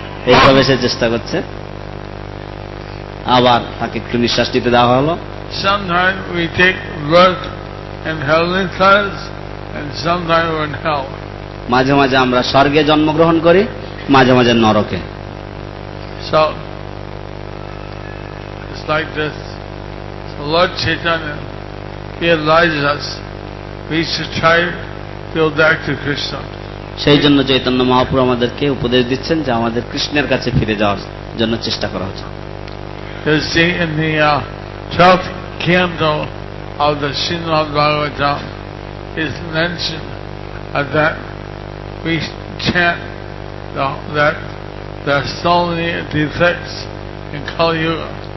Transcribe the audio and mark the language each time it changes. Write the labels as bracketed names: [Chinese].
[Bangla] এইভাবে সে চেষ্টা করছে, আবার তাকে একটু নিঃশ্বাস নিতে দেওয়া হলো. [English] Sometimes we take birth in heavenly planets and sometimes we're in hell. [Bangla] মাঝে মাঝে আমরা স্বর্গে জন্মগ্রহণ করি, মাঝে মাঝে নরকে. [English] So it's like this. So Lord Chaitanya, he advises us, we should try to go back to Krishna. [Bangla] সেই জন্য চৈতন্য মহাপ্রভু আমাদেরকে উপদেশ দিচ্ছেন যে আমাদের কৃষ্ণের কাছে ফিরে যাওয়ার জন্য চেষ্টা করা উচিত. [English] You see in the 12th canto of the Srimad Bhagavatam is mentioned that we chant that there are so many defects in Kali Yuga.